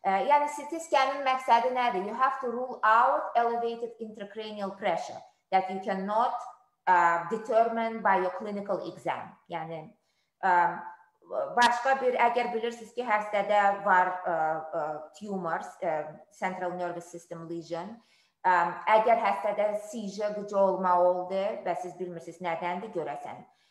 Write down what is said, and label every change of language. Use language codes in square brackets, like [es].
[az] Yəni, CT scanın məqsədi nədir? [en] You have to rule out elevated intracranial pressure that you cannot determined by your clinical exam. [az] Yəni, başqa bir, əgər bilirsiniz ki, həstədə var [en] tumors, central nervous system lesion, [az] əgər həstədə seizure, gücü olma oldu və siz bilmirsiniz nədəndir, görəsən.